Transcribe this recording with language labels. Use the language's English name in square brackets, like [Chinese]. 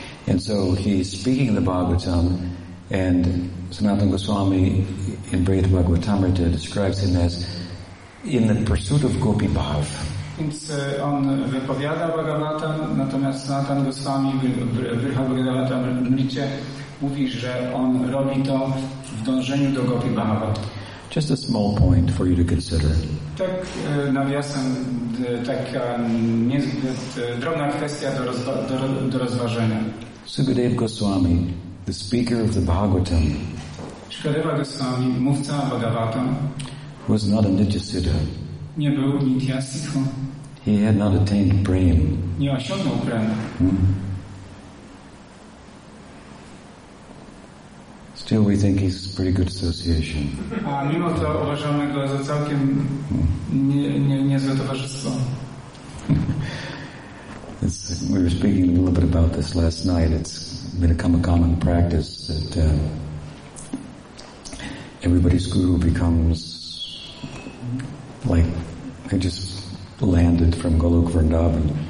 [English] And so he's speaking the Bhagavatam, and Sanatana Goswami in Brihat Bhagavatamrita describes him as in the pursuit of Gopi Bhav. [Polish] Więc on wypowiada Bhagavatam, natomiast Sanatana Goswami Brihat Bhagavatamrita mówi, że on robi to w dążeniu do Gopi Bhava. [English] Just a small point for you to consider. [Polish] Tak nawiasem, taka niezbyt drobna kwestia do rozważenia. [English] Sukadeva Goswami, the speaker of the Bhagavatam, [Polish] Sukadeva Goswami, mówca Bhagavatam, [English] was not a Nityasiddha. [Polish] Nie był Nityasiddha. [English] He had not attained Prem. [Polish] Nie osiągnął Prem. [English] Still we think he's pretty good association. [Polish] A mimo to uważamy go za całkiem niezłe towarzystwo. [English] We were speaking a little bit about this last night. It's become a common practice that everybody's guru becomes like they just landed from Golok Vrindavan.